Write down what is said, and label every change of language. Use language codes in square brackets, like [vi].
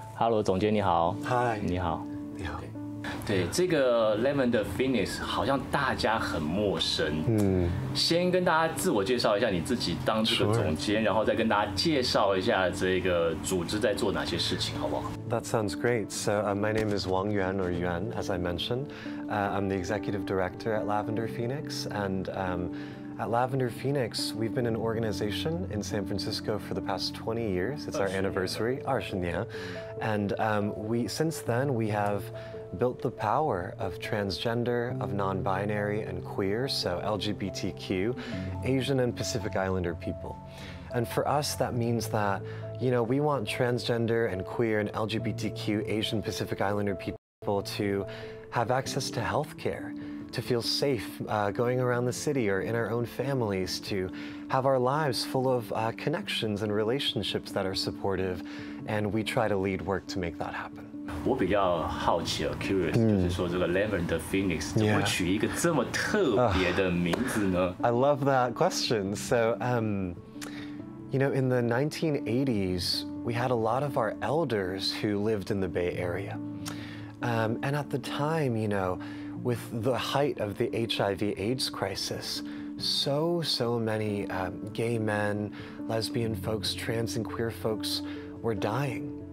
[en] Hello， [zh] 总监你好。嗨，你好。你好。对，这个 Lavender Phoenix 好像大家很陌生。先跟大家自我介绍一下你自己当这个总监，然后再跟大家介绍一下这个组织在做哪些事情，好不好 [en] ？That sounds great. So, my name is Wang Yuan, or Yuan, as I mentioned. I'm the executive director at Lavender Phoenix, and at Lavender Phoenix, we've been an organization in San Francisco for the past 20 years. It's our anniversary, [zh] 20年, [en] and since then we have. Built the power of transgender, of non-binary and queer, so LGBTQ, Asian and Pacific Islander people. And for us, that means that, you know, we want transgender and queer and LGBTQ, Asian Pacific Islander people to have access to healthcare, to feel safe going around the city or in our own families, to have our lives full of connections and relationships that are supportive, and we try to lead work to make that happen. [zh] 我比较好奇哦 ， [en] curious， [zh] 就是说这个 Lavender Phoenix 怎么取一个这么特别的名字呢 [en] ？I love that question. So, you know, in the 1980s, we had a lot of our elders who lived in the Bay Area, and at the time, you know, with the height of the HIV/AIDS crisis, so many gay men, lesbian folks, trans and queer folks were dying.